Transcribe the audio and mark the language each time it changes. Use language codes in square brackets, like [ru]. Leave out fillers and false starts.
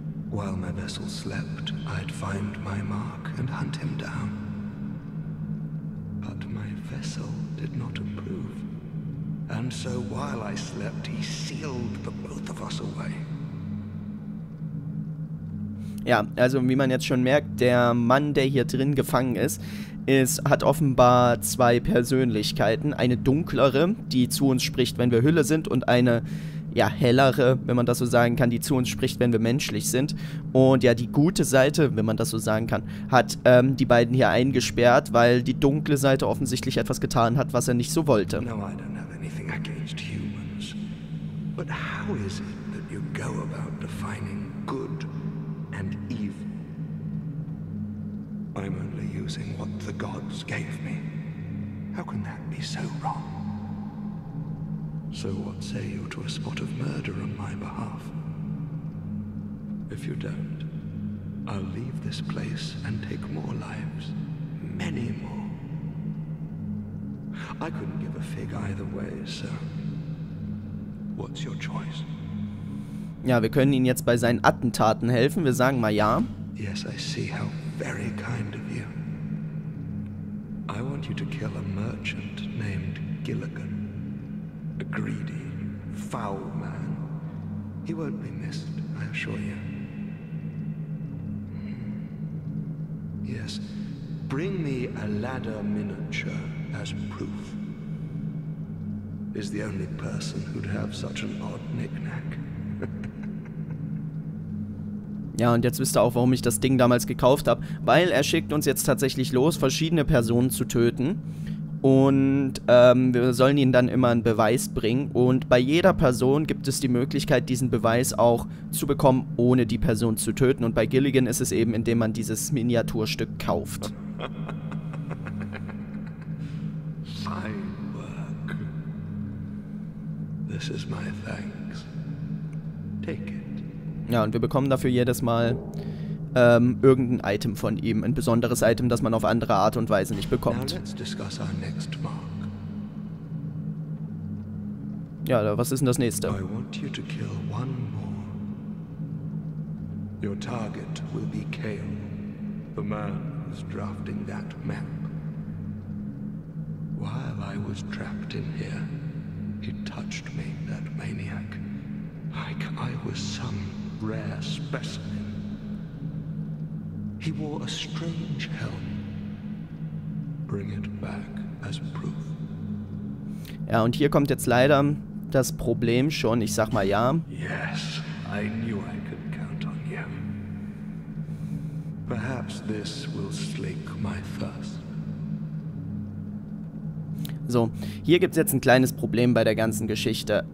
[en] While my vessel slept, I'd find my mark and hunt him down. But my vessel did not approve. And so while I slept, he sealed the both of us away. [de] Ja, also wie man jetzt schon merkt, der Mann, der hier drin gefangen ist, hat offenbar zwei Persönlichkeiten. Eine dunklere, die zu uns spricht, wenn wir Hülle sind, und eine, ja, hellere, wenn man das so sagen kann, die zu uns spricht, wenn wir menschlich sind. Und ja, die gute Seite, wenn man das so sagen kann, hat die beiden hier eingesperrt, weil die dunkle Seite offensichtlich etwas getan hat, was er nicht so wollte. [en] No, I don't have anything against humans. But how is it that you go about defining good and evil? I'm only using what the gods gave me. How can that be so wrong? So what say you to a spot of murder on my behalf? If you don't, I'll leave this place and take more lives. Many more. I couldn't give a fig either way, so what's your choice? [de] Ja, wir können Ihnen jetzt bei seinen Attentaten helfen. Wir sagen mal ja. [en] Yes, I see how very kind of you. I want you to kill a merchant named Gilligan. A greedy, foul man. He won't be missed, I assure you. Yes, bring me a ladder miniature as proof. Is the only person who'd have such an odd knick-knack. [de] Ja, und jetzt wisst ihr auch, warum ich das Ding damals gekauft habe. Weil er schickt uns jetzt tatsächlich los, verschiedene Personen zu töten. Und wir sollen ihnen dann immer einen Beweis bringen. Und bei jeder Person gibt es die Möglichkeit, diesen Beweis auch zu bekommen, ohne die Person zu töten. Und bei Gilligan ist es eben, indem man dieses Miniaturstück kauft. [en] Fine work. This is my thanks. Take it. [de] Ja, und wir bekommen dafür jedes Mal irgendein Item von ihm. Ein besonderes Item, das man auf andere Art und Weise nicht bekommt. [en] Now let's discuss our next mark. [de] Ja, was ist denn das nächste? [en] I want you to kill one more. Your target will be Kale, the man who's drafting that map. While I was trapped in here, he touched me, that maniac. Like I was some rare specimen. He wore a strange helm. Bring it back as proof. [de] Ja, und hier kommt jetzt leider das Problem schon. Ich sag mal ja. [en] Yes, I knew I could count on you. Perhaps this will slake my thirst. [de] So, hier gibt's jetzt ein kleines Problem bei der ganzen Geschichte.